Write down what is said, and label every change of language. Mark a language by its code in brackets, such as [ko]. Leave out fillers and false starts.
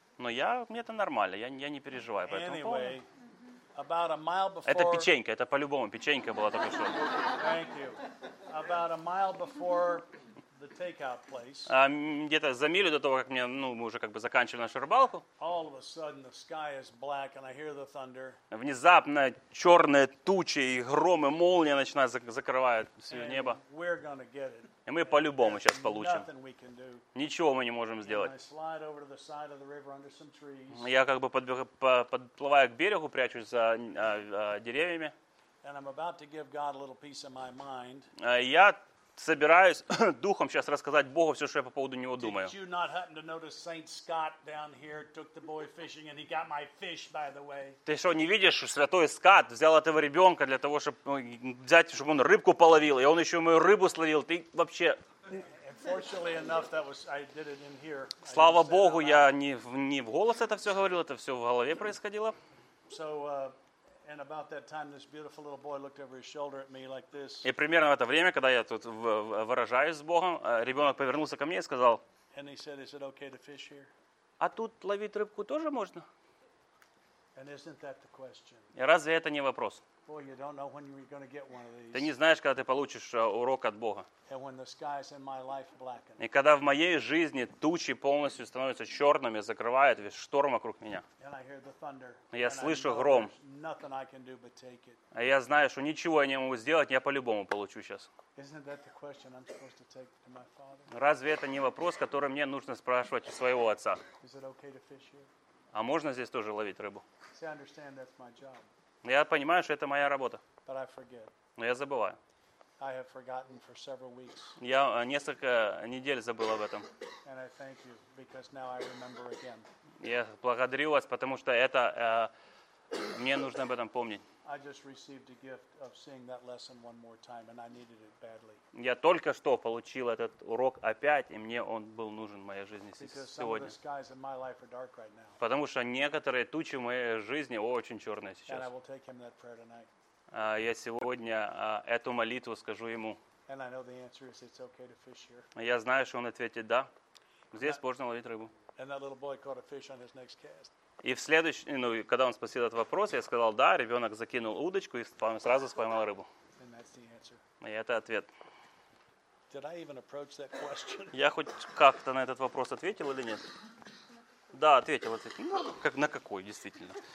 [ru] Но мне это нормально, я не переживаю по этому [en] anyway, [ru] поводу. [en] About a mile before. [ru] Это печенька, это по-любому печенька была только что. [en] Thank you. About a mile before the takeout place. [ru] Где-то за милю до того, как мы уже как бы заканчивали нашу рыбалку. [en] All of a sudden the sky is black and I hear the thunder. [ru] Внезапно черные тучи и гром и молния начинают закрывать все небо. [en] We're gonna get it. [ru] И мы по-любому сейчас получим. [en] Nothing we can do. [ru] Ничего мы не можем сделать. [en] And I slide over to the side of the river under some trees. [ru] Я как бы подплываю к берегу, прячусь за деревьями. [en] And I'm about to give God a little piece of my mind. [ru] Я собираюсь духом сейчас рассказать Богу все, что я по поводу него думаю. [en] Did you not happen to notice Saint Scott down here took the boy fishing and he got my fish, by the way? [ru] Ты что, не видишь, что святой Скотт взял этого ребенка для того, чтобы он рыбку половил, и он еще мою рыбу словил. Ты вообще... [en] Fortunately enough, that was I did it in here. [ru] Слава Богу, я не в голос это все говорил, это все в голове происходило. [en] So, and about that time, this beautiful little boy looked over his shoulder at me like this. [ru] И примерно в это время, когда я тут выражаюсь с Богом, ребенок повернулся ко мне и сказал. [en] And he said, "Is it okay to fish here?" [ru] А тут ловить рыбку тоже можно? [en] And isn't that the question? [ru] И разве это не вопрос? [en] Boy, you don't know when you're going to get one of these. [uk] Ти не знаєш, коли ти получиш урок від Бога. [en] And when the skies in my life blacken. [uk] І коли в моїй житті тучі повністю становляться чорними, закривають весь шторм вокруг мене. [en] And I hear the thunder. [ru] Я слышу гром. [en] Nothing I can do but take it. [uk] А я знаю, що нічого я не можу зробити, я по-любому получу зараз. [en] Isn't that the question I'm supposed to take to my father? [ru] Разве это не вопрос, который мне нужно спрашивать у своего отца? [en] Is it okay to fish here? [ru] А можно здесь тоже ловить рыбу? [en] See, I understand that's my job. [ru] Я понимаю, что это моя работа. [en] But I forget. [ru] Но я забываю. [en] I have forgotten for several weeks. [ru] Я несколько недель забыл об этом. [en] And I thank you because now I remember again. [ru] Я благодарю вас, потому что это мне нужно об этом помнить. [en] I just received a gift of seeing that lesson one more time and I needed it badly. [ru] Я только что получил этот урок опять, и мне он был нужен в моей жизни сегодня. [en] Because the skies in my life are dark right now. [ru] Потому что некоторые тучи в моей жизни очень чёрные сейчас. [en] And I will take him that prayer tonight. [ru] Я сегодня эту молитву скажу ему. [en] And I know the answer is it's okay to fish here. [ru] Я знаю, что он ответит да. Здесь можно ловить рыбу. [en] And that little boy caught a fish on his next cast. [ru] И в следующий, ну, когда он спросил этот вопрос, я сказал, да, ребенок закинул удочку и сразу споймал рыбу. И это ответ. [en] Did I even approach that question? [ru] Я хоть как-то на этот вопрос ответил или нет? Да, ответил. Ну, как, на какой, действительно?